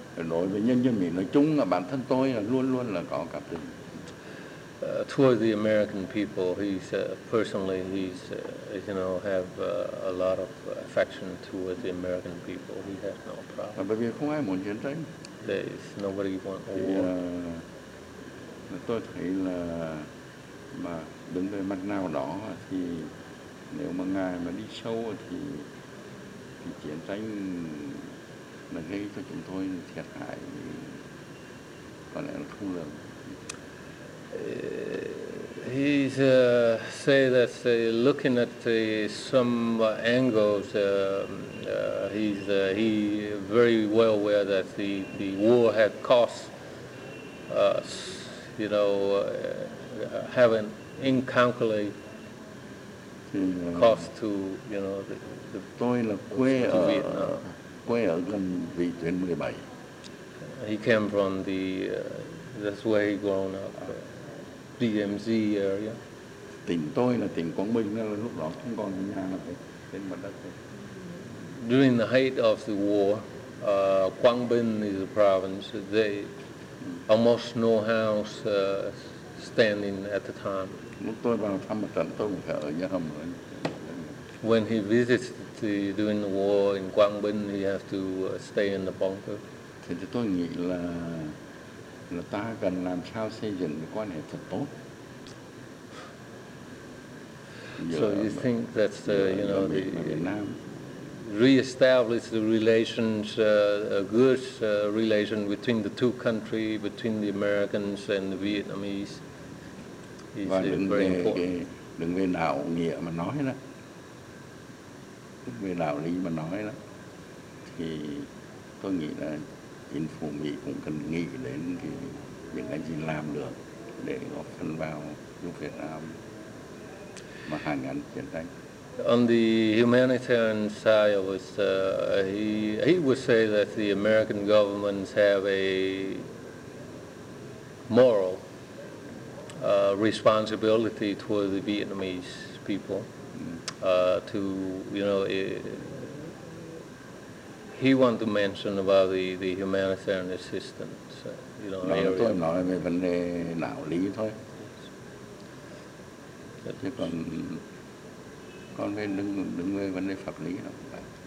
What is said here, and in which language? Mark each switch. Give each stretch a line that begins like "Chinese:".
Vietnamese: Đối với nhân dân Mỹ nói chung là bản thân tôi là luôn luôn là có cảm tình.
English: Toward the American people, he's personally, he's have a lot of affection toward the American people. He has no problem.
Vietnamese: Bởi vì không ai muốn chiến tranh.
English: There's nobody want a war.
Vietnamese: Tôi thấy là mà đứng về mặt nào đó thì nếu mà ngài mà đi sâu thì chiến tranh mà gây cho chúng tôi thiệt hại thì có lẽ là không lường.
English: He's say that looking at some angles, he very well aware that the war had cost us, have an incalculable cost to
Vietnamese: tôi là quê ở Vietnam. Quê ở gần vị tuyến 17.
English: He came from the that's where he grown up. DMZ area.
Vietnamese: Tỉnh tôi là tỉnh Quảng Bình, nên lúc đó không còn nhà nào để trên mặt đất.
English: During the height of the war, Quảng Bình is a province. They almost no house standing at the time.
Vietnamese: Lúc tôi vào thăm một trận tôi cũng phải ở nhà hầm rồi.
English: When he visits during the war in Quảng Bình, he has to stay in the bunker.
Vietnamese: Thì tôi nghĩ là ta cần làm sao xây dựng cái quan hệ thật tốt.
English: So you think that's the Việt Nam reestablish the relations, a good relation between the two countries, between the Americans and the Vietnamese is very important.
Vietnamese: Đừng về đạo nghĩa mà nói đó, về đạo lý mà nói đó, thì tôi nghĩ là chính phủ Mỹ cũng cần nghĩ đến những cái gì làm được để góp phần vào giúp Việt Nam mà hàn gắn chiến tranh.
English: On the humanitarian side, he would say that the American governments have a moral responsibility toward the Vietnamese people to he wanted to mention about the humanitarian assistance,
Vietnamese: Tôi nói về vấn đề đạo lý thôi. Chứ còn con về đứng về vấn đề pháp lý không?